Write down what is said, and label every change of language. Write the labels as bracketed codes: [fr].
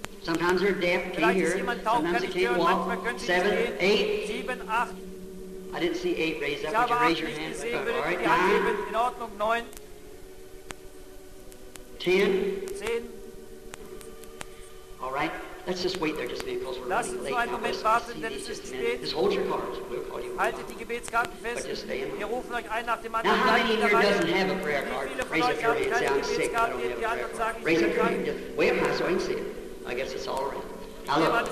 [en] Sometimes they're deaf, can't hear. Sometimes they can't walk. Seven. Eight. I didn't see eight raised up. Would you raise your hand? All right. Nine. Ten. All right. Let's just wait there just a minute because we're running late. Now let's see these just a minute. Just hold your cards. We'll call you [de] haltet die Gebetskarten fest. [en] But just stay in line. [de] Wir rufen euch ein nach dem anderen. [en] Now how many in here doesn't have a prayer card? Raise up your hand. Say, I'm sick. I don't have a prayer card. Raise up your hand. Just way up high so I can see it. I guess it's all right. Hello.